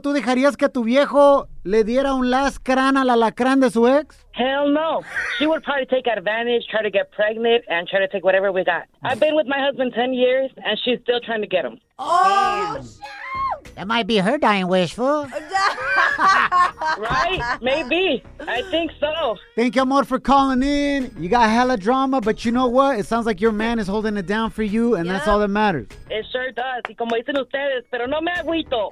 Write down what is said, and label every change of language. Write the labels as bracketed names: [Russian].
[Spanish] ¿Tú dejarías que tu viejo le diera un last crán al alacrán de su ex? [English] Hell no. She would probably take advantage, try to get pregnant, and try to take whatever we got. I've been with my husband 10 years, and she's still trying to get him. That might be her dying wish, fool. Right? Maybe. I think so. Thank you, amor, for calling in. You got hella drama, but you know what? It sounds like your man is holding it down for you, and that's all that matters. It sure does. [Spanish] Y como dicen ustedes, pero no me agüito.